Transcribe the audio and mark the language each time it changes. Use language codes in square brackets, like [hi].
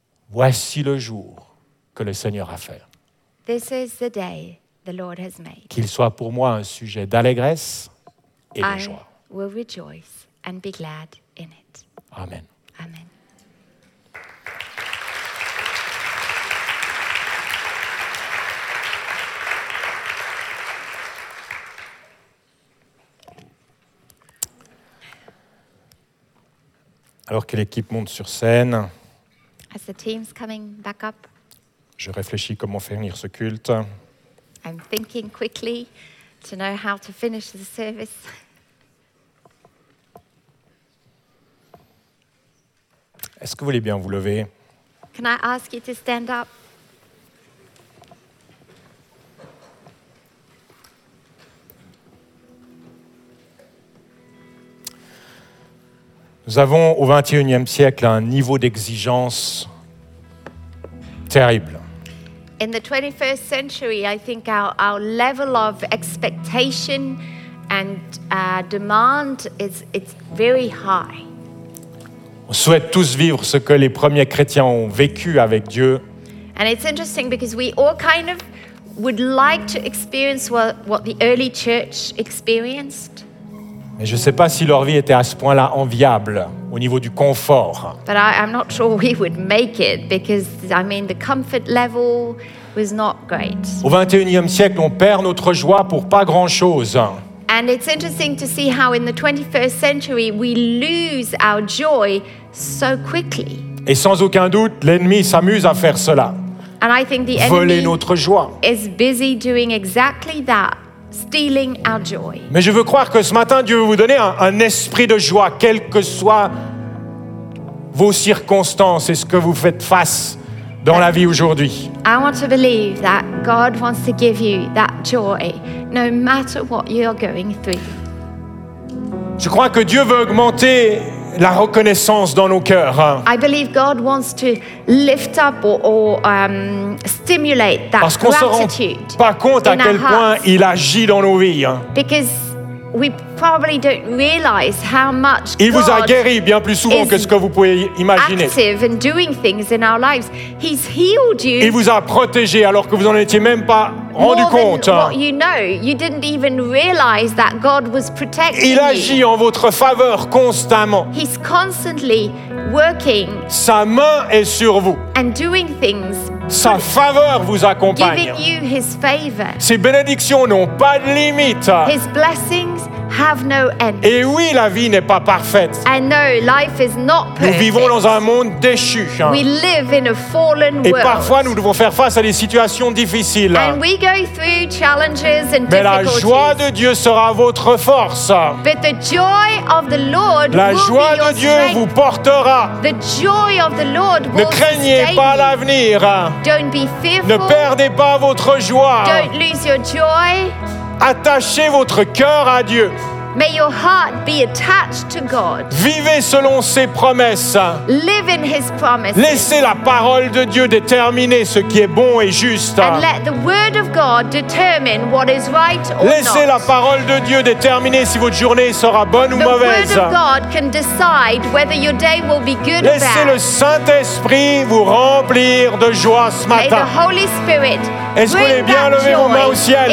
[fr] Voici le jour que le Seigneur a fait. [en] This is the day. The Lord has made. [fr] Qu'il soit pour moi un sujet d'allégresse et de joie. [en] I will rejoice and be glad in it. Amen. Amen. [fr] Alors que l'équipe monte sur scène, [en] as the team's coming back up, [fr] je réfléchis comment finir ce culte. [en] I'm thinking quickly to know how to finish the service. [fr] Est-ce que vous voulez bien vous lever? [en] Can I ask you to stand up? [fr] Nous avons au XXIe siècle un niveau d'exigence terrible. [en] In the 21st century, I think our level of expectation and demand it's very high. [fr] On souhaite tous vivre ce que les premiers chrétiens ont vécu avec Dieu. [en] And it's interesting because we all kind of would like to experience what the early church experienced. [fr] Mais je ne sais pas si leur vie était à ce point-là enviable au niveau du confort. [en] But I'm not sure we would make it because, I mean, the comfort level was not great. [fr] Au XXIe siècle, on perd notre joie pour pas grand-chose. [en] And it's interesting to see how in the 21st century we lose our joy so quickly. [fr] Et sans aucun doute, l'ennemi s'amuse à faire cela. [en] And I think the [fr] enemy voler notre joie. [en] Is busy doing exactly that. Stealing our joy. [fr] Mais je veux croire que ce matin, Dieu veut vous donner un esprit de joie, quelles que soient vos circonstances et ce que vous faites face dans la vie aujourd'hui. [en] I want to believe that God wants to give you that joy, no matter what you're going through. [fr] Je crois que Dieu veut augmenter la reconnaissance dans nos cœurs. [en] I believe God wants to lift up or stimulate that [fr] parce qu'on [en] gratitude. [fr] Se rend pas compte à quel point il agit dans nos vies. [en] Because we probably don't realize how much [fr] il vous a guéri bien plus souvent que ce que vous pouvez imaginer. [en] Active in doing things in our lives. He's healed you. [fr] Il vous a protégé alors que vous n'en étiez même pas rendu compte. [en] More than what you know, you didn't even realize that God was protecting you. [fr] Il agit en votre faveur constamment. [en] He's constantly working. [fr] Sa main est sur vous. [en] And doing things. [fr] Sa faveur vous accompagne. [en] Giving you his favor. [fr] Ses bénédictions n'ont pas de limite. [en] His blessings have no end. [fr] Et oui, la vie n'est pas parfaite. [en] And no, life is not perfect. [fr] Nous vivons dans un monde déchu. [en] We live in a fallen world. [fr] Et parfois, nous devons faire face à des situations difficiles. [en] And we go through challenges and difficulties. [fr] Mais la joie de Dieu sera votre force. [en] But the joy of the Lord [fr] la joie de Dieu [en] strength. [fr] Vous portera. [en] The joy of the Lord will [fr] ne craignez pas [en] you. [fr] L'avenir. [en] Don't be fearful. [fr] Ne perdez pas votre joie. [en] Don't lose your joy. [fr] Attachez votre cœur à Dieu. [en] May your heart be attached to God. [fr] Vivez selon ses promesses. [en] Live in his promises. [fr] Laissez la parole de Dieu déterminer ce qui est bon et juste. [en] And let the word of God determine what is right or [fr] laissez [en] not. [fr] Laissez la parole de Dieu déterminer si votre journée sera bonne ou [en] the [fr] mauvaise. [en] The word of God can decide whether your day will be good [fr] laissez [en] or bad. [fr] Laissez le Saint-Esprit vous remplir de joie ce matin. [en] May the Holy Spirit [fr] est-ce que vous voulez bien lever vos mains au ciel